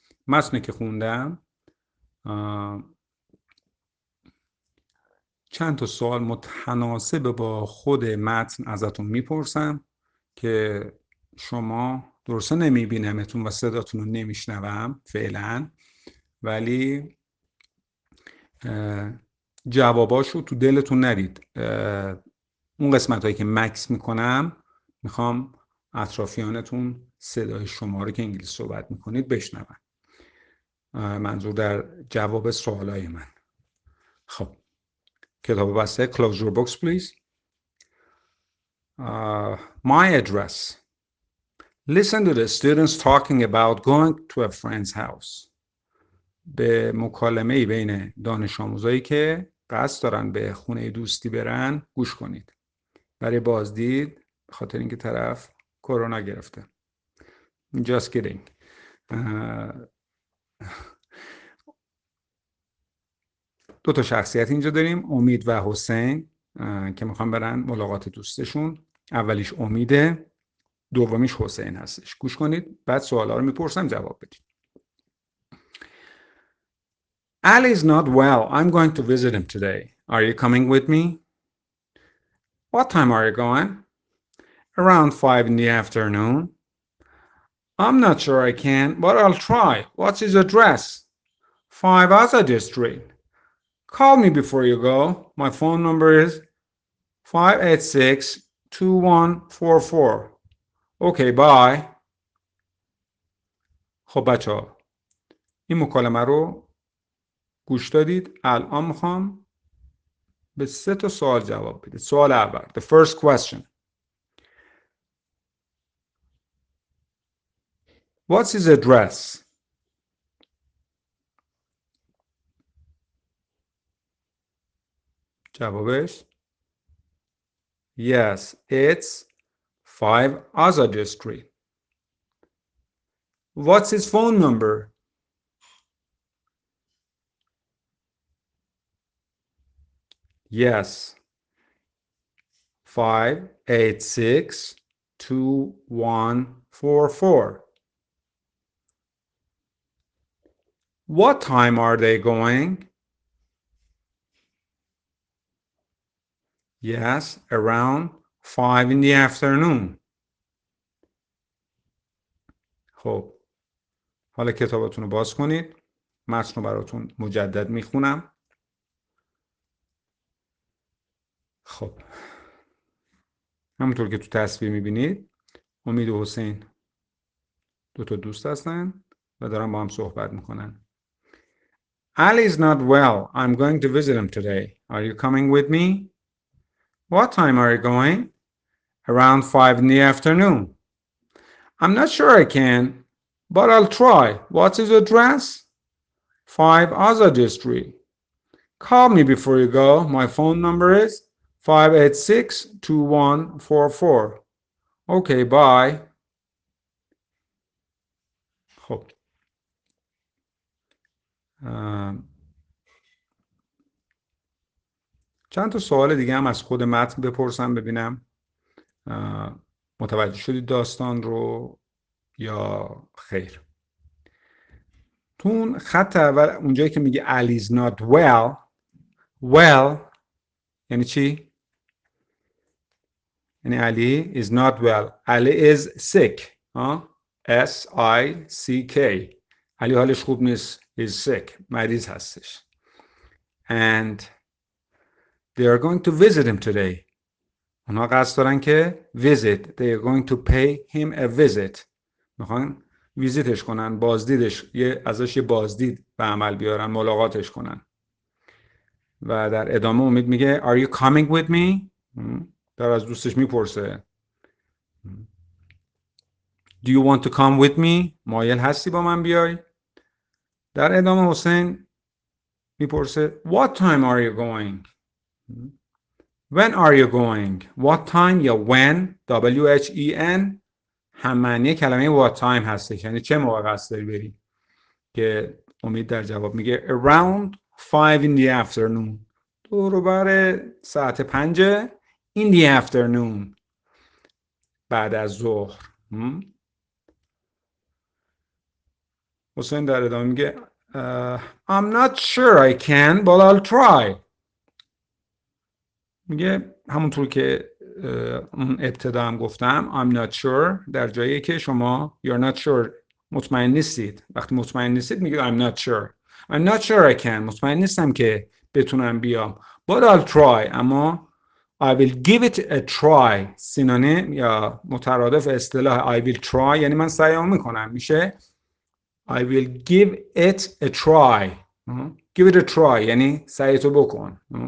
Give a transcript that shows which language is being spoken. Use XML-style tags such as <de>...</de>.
<fa>متنی که خوندم چند تا سوال متناسب با خود متن ازتون میپرسم که شما درسته نمیبینمتون و صداتون رو نمیشنوم فعلا، ولی جواباش رو تو دلتون نرید. اون قسمت هایی که مکس میکنم میخوام اطرافیانتون صدای شما رو که انگلیس صحبت میکنید بشنون، منظور در جواب سوال های من. خب کتاب بسته،</fa> <en>close your books please. My address. Listen to the students talking about going to a friend's house.</en> <fa>به مکالمه‌ای بین دانش آموزایی که قصد دارن به خونه دوستی برن گوش کنید، برای بازدید، خاطر اینکه طرف کرونا گرفته.</fa> <en>Just kidding.</en> <fa>دو تا شخصیت اینجا داریم، امید و حسین، که میخوان برن ملاقات دوستشون. اولیش امیده، دومیش حسین هستش. گوش کنید، بعد سوالا رو میپرسم جواب بدید.</fa> <en>Ali is not well. I'm going to visit him today. Are you coming with me? What time are you going? Around 5 in the afternoon. I'm not sure I can, but I'll try. What's his address? 5 Azad District. Call me before you go. My phone number is 586-2144. Okay, bye.</en> <fa>خب بچه ها، این مکالمه رو گوش دادید. الان میخوام به سه تا سوال جواب بدید. سوال اول،</fa> <en>the first question. What's his address?</en> <fa>جوابش</fa> <en>yes, it's 5 Azad Street. What's his phone number? Yes, 586-2144. What time are they going? Yes, around 5 in the afternoon.</en> <fa>خب حالا کتابتون رو باز کنید، متن رو براتون مجدد میخونم. خب همونطور که تو تصویر میبینید، امید و حسین دو تا دوست هستن و دارن با هم صحبت میکنن. Ali is not well. I'm going to visit him today. Are you coming with me? What time are you going? Around 5 in the afternoon. I'm not sure I can, but I'll try. What's his address? 5 Azad District. Call me before you go. My phone number is 586-2144. Okay, bye. خب. چند تا سوال دیگه هم از خود متن بپرسم ببینم متوجه شدید داستان رو یا خیر. تون خط اول اونجایی که میگه</fa> <en>Ali is not well،</en> <fa>well یعنی چی؟ یعنی Ali is not well.</fa> <en>Ali is sick. S-I-C-K.</en> <fa>Ali حالش خوب نیست.</fa> <en>Is sick.</en> <fa>مریض هستش.</fa> <en>And they are going to visit him today.</en> <fa>اونا قصد دارن که visit.</fa> <en>They are going to pay him a visit.</en> <fa>میخوان ویزیتش کنن. بازدیدش. ازش یه بازدید به عمل بیارن. ملاقاتش کنن. و در ادامه امید میگه</fa> <en>Are you coming with me?</en> <fa>در از دوستش میپرسه</fa> <en>Do you want to come with me?</en> <fa>مایل هستی با من بیای؟ در ادامه حسین میپرسه</fa> <en>What time are you going? When are you going? What time یا when?</en> <fa>W-H-E-N هم معنی کلمه</fa> <en>What time</en> <fa>هستش، یعنی چه موقع قصد داری بری که امید در جواب میگه</fa> <en>around 5 in the afternoon،</en> <fa>دور و بر ساعت</fa> <en>5 in the afternoon،</en> <fa>بعد از ظهر. حسین در ادامه میگه</fa> <en>I'm not sure I can but I'll try.</en> <fa>میگه همونطور که اون ابتدا هم گفتم</fa> <en>I'm not sure</en> <fa>در جایی که شما</fa> <en>you're not sure</en> <fa>مطمئن نیستید. وقتی مطمئن نیستید میگه</fa> <en>I'm not sure I can،</en> <fa>مطمئن نیستم که بتونم بیام.</fa> <en>But I'll try،</en> <fa>اما</fa> <en>I will give it a try،</en> <fa>سینونیم یا مترادف اصطلاح</fa> <en>I will try</en> <fa>یعنی من سعی میکنم، میشه</fa> <en>I will give it a try. Give it a try</en> <fa>یعنی سعیتو بکن.</fa>